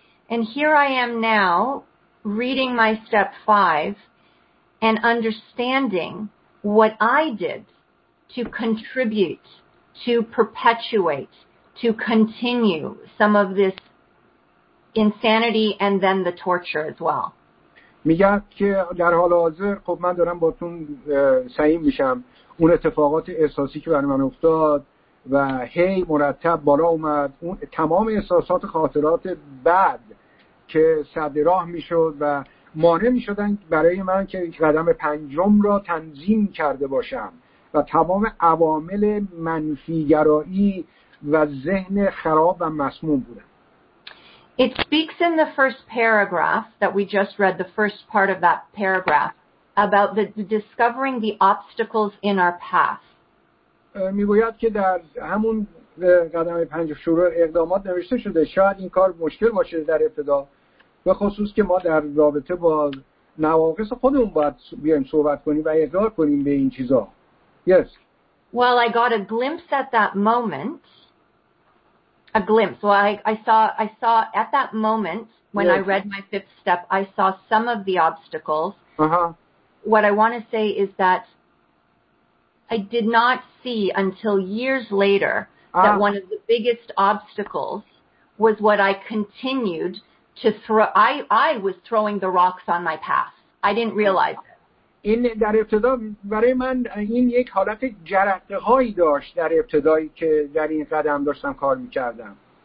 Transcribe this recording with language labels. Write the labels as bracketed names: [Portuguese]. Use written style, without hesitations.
[English] And here I am now reading my step 5 and understanding what I did to contribute, to perpetuate, to continue some of this insanity and then the torture as well. [Persian] میگه که در حال حاضر خب من دارم باهاتون سهیم میشم اون اتفاقات احساسی که برای من افتاد و هی مرتب بالا اومد اون تمام احساسات خاطرات بد که سد راه میشد و مانع می شدن برای من که قدم پنجم را تنظیم کرده باشم و تمام عوامل منفیگرائی و ذهن خراب و مسموم بودن. [English] It speaks in the first paragraph that we just read, the first part of that paragraph, about the discovering the obstacles in our path. [Persian] میگوید که در همون قدم پنج شروع اقدامات نوشته شده شاید این کار مشکل باشه در ابتدا، به خصوص که ما در رابطه با نواقص خودمون باید بیایم صحبت کنیم و اقرار کنیم به این چیزا. [English] Yes. Well, I got a glimpse at that moment. A glimpse. Well, I saw at that moment when yes. I read my fifth step, I saw some of the obstacles. Uh-huh. What I want to say is that I did not see until years later that one of the biggest obstacles was what I continued to throw. I was throwing the rocks on my path. I didn't realize it. [Persian] این در ابتدا برای من این یک حالت جرقه هایی داشت در ابتدایی که در این قدم داشتم کار میکردم.